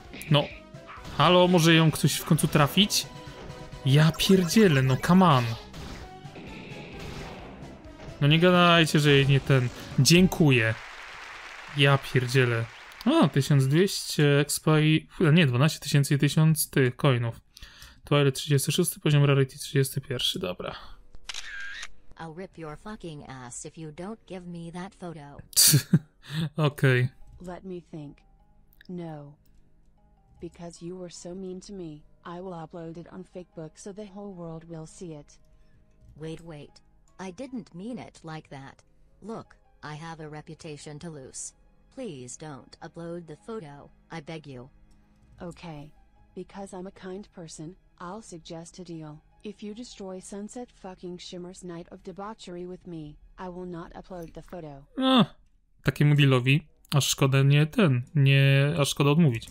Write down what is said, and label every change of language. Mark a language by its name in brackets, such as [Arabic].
[Polish] No. Halo, może ją ktoś w końcu trafić? Ja pierdzielę, [English] no come on. [Polish] No nie gadajcie, że jej nie ten... Dziękuję. Ja pierdzielę. O, 1200 expa i... Nie, 12 tysięcy i 1000 tych coinów. Twilight 36, poziom rarity 31, dobra. [English] I'll rip your fucking ass if you don't give me that photo. Okej. Let me think. No. Because you were so mean to me, I will upload it on Fakebook so the whole world will see it. Wait, wait. I didn't mean it like that. Look, I have a reputation to lose. Please don't upload the photo, I beg you. Okay. Because I'm a kind person, I'll suggest a deal. If you destroy Sunset fucking Shimmer's Night of Debauchery with me, I will not upload the photo. [Polish] Ach, takiemu dealowi, aż szkoda nie ten, nie, aż szkoda odmówić.